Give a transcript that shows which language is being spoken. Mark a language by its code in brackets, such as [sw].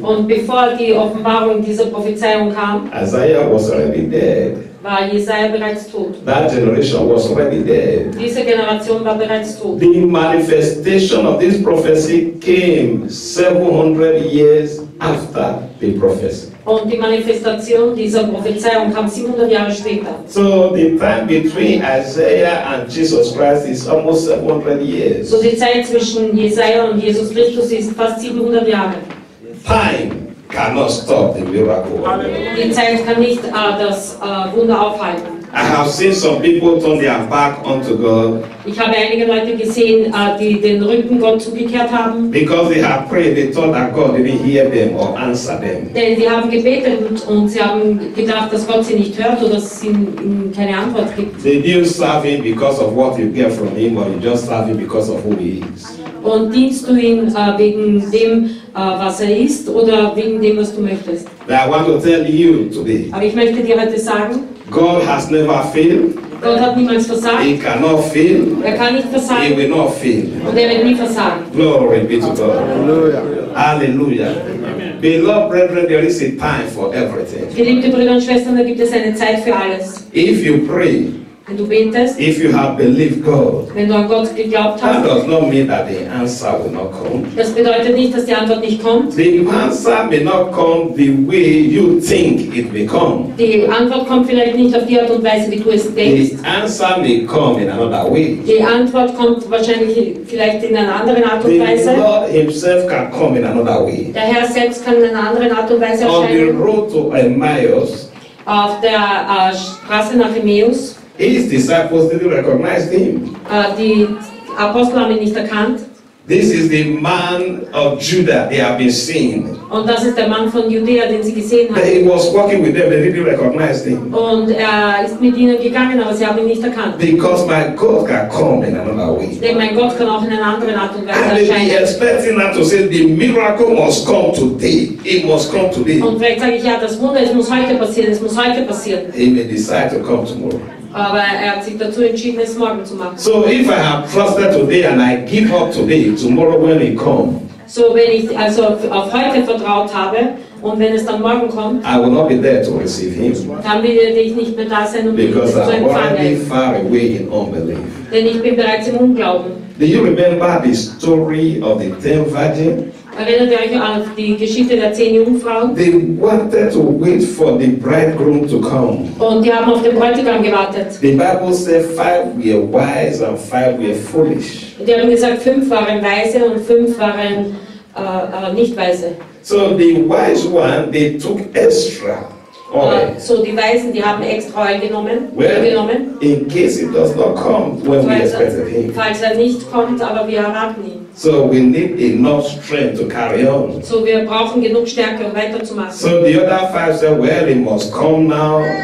[de] und bevor die Offenbarung dieser Prophezeiung kam, [en] Isaiah was already dead. [de] War Jesaja bereits tot. [en] That generation was already dead. [de] Diese Generation war bereits tot. [en] The manifestation of this prophecy came 700 years after the prophecy. [de] Und die Manifestation dieser Prophezeiung kam 700 Jahre später. [en] So the time between Isaiah and Jesus Christ is almost 700 years. [de] So die Zeit zwischen Jesaja und Jesus Christus ist fast 700 Jahre. [en] Time cannot stop the miracle. [de] Die Zeit kann nicht das Wunder aufhalten. [en] I have seen some people turn their back unto God. [de] Ich habe einige Leute gesehen, die den Rücken Gott zugekehrt haben. [en] Because they have prayed, they thought that God didn't hear them or answer them. [de] Denn sie haben gebetet und sie haben gedacht, dass Gott sie nicht hört oder dass sie ihnen keine Antwort gibt. [en] Did you serve him because of what you get from him, or you just serve him because of who he is? [de] Und dienst du ihm wegen dem, was ist, oder wegen dem, was du möchtest? [en] But I want to tell you today. [de] Aber ich möchte dir heute sagen. [en] God has never failed. [de] Gott hat niemals versagt. [en] He cannot fail. [de] Er kann nicht versagen. [en] He will not fail. [de] Und er wird nie versagen. [en] Glory be to God. Hallelujah. Hallelujah. Beloved brethren, there is a time for everything. [de] Geliebte Brüder und Schwestern, da gibt es eine Zeit für alles. [en] If you pray, [de] wenn du betest, [en] if you have believed God, [de] wenn du an Gott geglaubt hast, [en] that does not mean that the answer will not come. [de] Das bedeutet nicht, dass die Antwort nicht kommt. [en] The answer may not come the way you think it may come. [de] Die Antwort kommt vielleicht nicht auf die Art und Weise, wie du es denkst. [en] The answer may come in another way. [de] Die Antwort kommt wahrscheinlich vielleicht in einer anderen Art und Weise. [en] The Lord himself can come in another way. [de] Der Herr selbst kann in einer anderen Art und Weise erscheinen. [en] On the road to Emmaus, [de] auf der Straße nach Emmaus, [en] his disciples didn't recognize him. [de] Die Apostel haben ihn nicht erkannt. [en] This is the man of Judah they have been seeing. [de] Und das ist der Mann von Judäa, den sie gesehen haben. [en] But he was walking with them, they didn't recognize him. [de] Und er ist mit ihnen gegangen, aber sie haben ihn nicht erkannt. [en] Because my God can come in another way. [de] Denn mein Gott kann auch in einer anderen Art und Weise erscheinen. [en] And they expecting that to say the miracle must come today. It must come today. [de] Und vielleicht sage ich ja, das Wunder, es muss heute passieren. Es muss heute passieren. [en] He may decide to come tomorrow. [de] Aber er hat sich dazu entschieden, es morgen zu machen. [en] So, if I have trusted today and I give up today, [de] wenn ich also auf heute vertraut habe und wenn es dann morgen kommt, [en] I will not be there to receive him. [de] Dann werde ich nicht mehr da sein, um [en] because [de] ihn zu empfangen. [en] Already far away in unbelief. [de] Denn ich bin bereits im Unglauben. [en] Do you remember the story of the 10 virgin? [de] Erinnert ihr euch an die Geschichte der 10 Jungfrauen? [en] They wanted to wait for the bridegroom to come. [de] Und die haben auf den Bräutigam gewartet. [en] The Bible said 5 were wise and 5 were foolish. [de] Die haben gesagt, 5 waren weise und 5 waren nicht weise. [en] So the wise one, they took extra oil. [de] So die Weisen, die haben extra Öl genommen. [en] Well, [de] genommen. [en] In case it does not come when we expected him. [de] Falls er nicht kommt, aber wir erwarten ihn. [en] So we need enough strength to carry on. [de] So wir brauchen genug Stärke, um weiterzumachen. [en] So the other 5 said, well, he must come now.